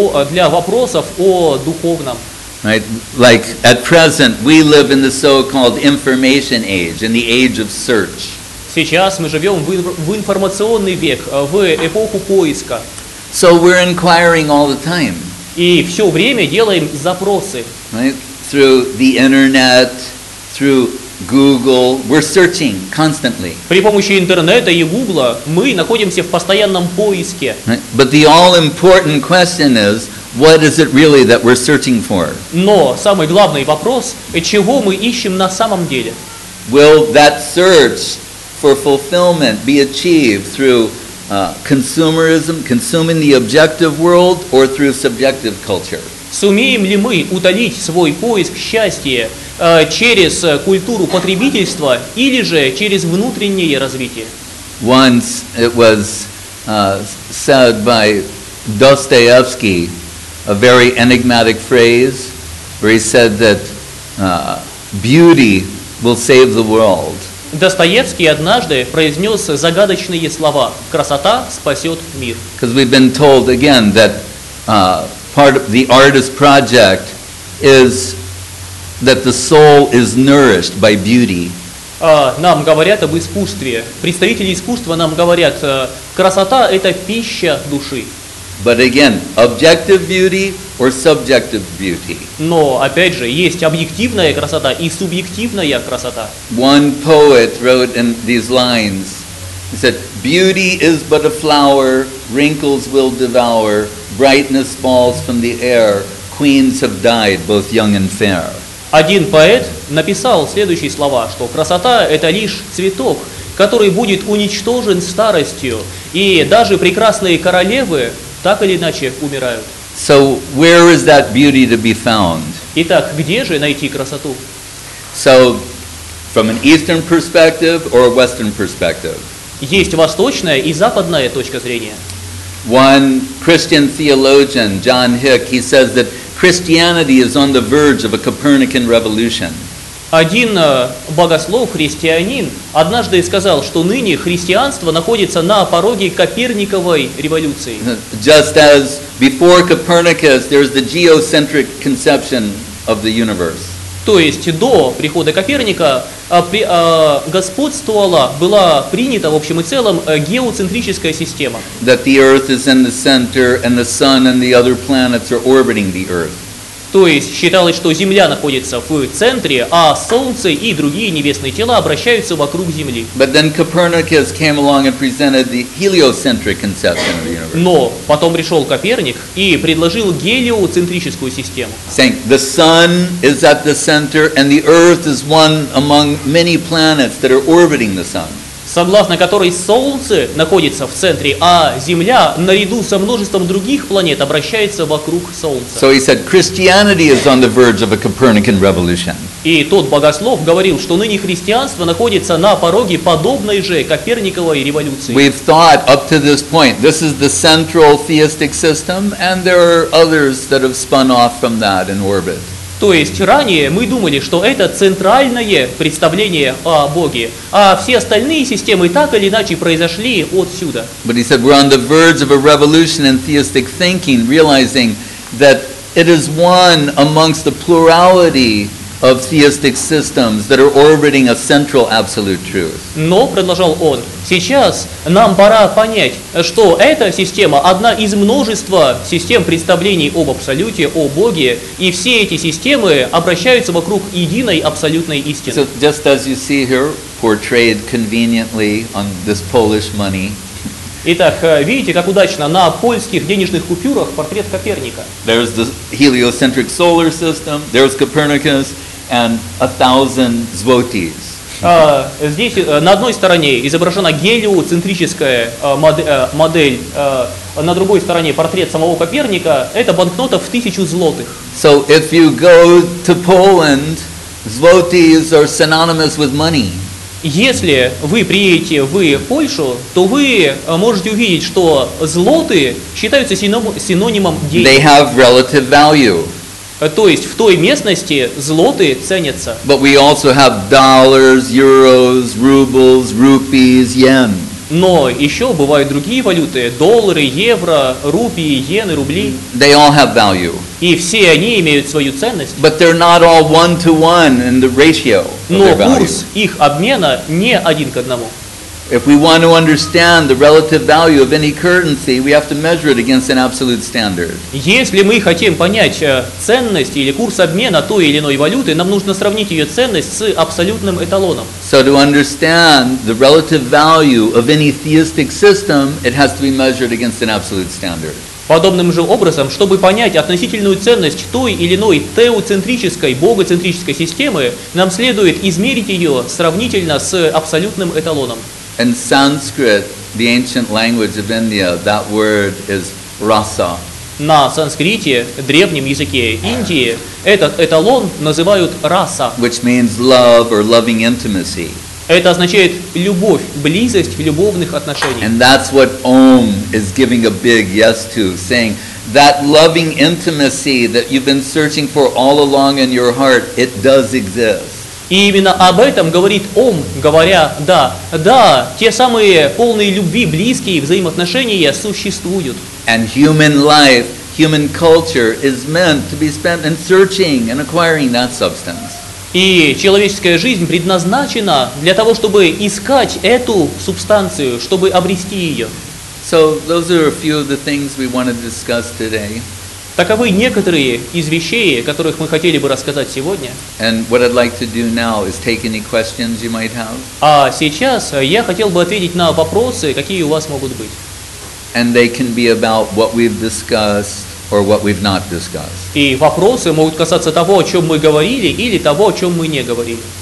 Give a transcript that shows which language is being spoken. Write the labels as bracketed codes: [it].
[ru] Для вопросов о духовном. [en] Right? Like at present, we live in the so-called information age, in the age of search. [ru] Сейчас мы живем в информационный век, в эпоху поиска. [en] So we're inquiring all the time. [ru] И все время делаем запросы. [en] Right? Through the internet, through Google, we're searching constantly. [ru] При помощи интернета и Гугла мы находимся в постоянном поиске. [en] Right? But the all-important question is, what is it really that we're searching for? [ru] Но самый главный вопрос, чего мы ищем на самом деле? [en] Will that search for fulfillment be achieved through consumerism, consuming the objective world, or through subjective culture? [ru] Сумеем ли мы утолить свой поиск счастья через культуру потребительства или же через внутреннее развитие? [en] Once it was said by Dostoevsky, a very enigmatic phrase, where he said that beauty will save the world. [ru] Достоевский однажды произнес загадочные слова: «Красота спасет мир». [en] Because we've been told again that part of the artist project is that the soul is nourished by beauty. [ru] Нам говорят об искусстве. Представители искусства нам говорят: «Красота – это пища души». [en] But again, objective beauty or subjective beauty. [ru] Но опять же, есть объективная красота и субъективная красота. [en] One poet wrote in these lines. He said, "Beauty is but a flower, wrinkles will devour, brightness falls from the air, queens have died, both young and fair." [ru] Один поэт написал следующие слова, что красота – это лишь цветок, который будет уничтожен старостью, и даже прекрасные королевы так или иначе умирают. [en] So where is that beauty to be found? [ru] Итак, где же найти красоту? [en] So From an eastern perspective or a western perspective? [ru] Есть восточная и западная точка зрения. [en] One Christian theologian, John Hick, he says that Christianity is on the verge of a Copernican revolution. [ru] Один богослов-христианин однажды сказал, что ныне христианство находится на пороге Коперниковой революции. [en] Just as before Copernicus, there is the geocentric conception of the universe. [ru] То есть до прихода Коперника господствовала, была принята в общем и целом геоцентрическая система. [en] That the Earth is in the center and the Sun and the other planets are orbiting the Earth. [ru] То есть считалось, что Земля находится в центре, а Солнце и другие небесные тела обращаются вокруг Земли. [en] But then Copernicus came along and presented the heliocentric conception of the universe. [ru] Но потом пришел Коперник и предложил гелиоцентрическую систему. [en] Saying the Sun is at the center and the Earth is one among many planets that are orbiting the Sun. [ru] Согласно которой Солнце находится в центре, а Земля, наряду со множеством других планет, обращается вокруг Солнца. [en] So he said, Christianity is on the verge of a Copernican revolution. [ru] И тот богослов говорил, что ныне христианство находится на пороге подобной же Коперниковой революции. [en] We've thought up to this point, this is the central theistic system, and there are others that have spun off from that in orbit. [ru] То есть ранее мы думали, что это центральное представление о Боге, а все остальные системы так или иначе произошли отсюда. [en] But he said we're on the verge of a revolution in theistic thinking, realizing that it is one amongst the plurality of theistic systems that are orbiting a central absolute truth. [ru] Но, продолжал он, сейчас нам пора понять, что эта система одна из множества систем представлений об Абсолюте, о Боге, и все эти системы обращаются вокруг единой абсолютной истины. [en] So, just as you see here, portrayed conveniently on this Polish money. [ru] Итак, видите, как удачно на польских денежных купюрах портрет Коперника. [en] There's the heliocentric solar system, there's Copernicus, and 1,000 zlotys. [ru] Здесь на одной стороне изображена гелиоцентрическая модель, на другой стороне портрет самого Коперника. Это банкнота в 1,000 злотых. [en] So if you go to Poland, zlotys are synonymous with money. [ru] Если вы приедете в Польшу, то вы можете увидеть, что злоты считаются синонимом денег. [en] They have relative value. [ru] То есть в той местности злоты ценятся. [en] But we also have dollars, euros, rubles, rupees, yen. [ru] Но еще бывают другие валюты: доллары, евро, рупии, иены, рубли. [en] They all have value. [ru] И все они имеют свою ценность. [en] But they're not all one-to-one in the ratio of [ru] Но [en] their value. [ru] Но курс их обмена не один к одному. [en] If we want to understand the relative value of any currency, we have to measure it against an absolute standard. [ru] Если мы хотим понять ценность или курс обмена той или иной валюты, нам нужно сравнить ее ценность с абсолютным эталоном. [en] So to understand the relative value of any theistic system, it has to be measured against an absolute standard. [ru] Подобным же образом, чтобы понять относительную ценность той или иной теоцентрической, богоцентрической системы, нам следует измерить ее сравнительно с абсолютным эталоном. [en] In Sanskrit, the ancient language of India, that word is rasa. [ru] На санскрите, древнем языке Индии, этот эталон называют раса. [en] Which means love or loving intimacy. [ru] Это означает любовь, близость в любовных отношениях. [en] And that's what Om is giving a big yes to, saying that loving intimacy that you've been searching for all along in your heart, it does exist. [ru] И именно об этом говорит Ом, говоря «да». Да, те самые полные любви, близкие взаимоотношения существуют. [en] And human life, human culture is meant to be spent in searching and acquiring that substance. [ru] И человеческая жизнь предназначена для того, чтобы искать эту субстанцию, чтобы обрести ее. [en] So those are a few of the things we want to discuss today. [ru] Таковы некоторые из вещей, о которых мы хотели бы рассказать сегодня. [en] And what I'd like to do now is take any questions you might have. [ru] А сейчас я хотел бы ответить на вопросы, какие у вас могут быть. [en] And they can be about what we've discussed or what we've not discussed. [ru] И вопросы могут касаться того, о чем мы говорили, или того, о чем мы не говорили.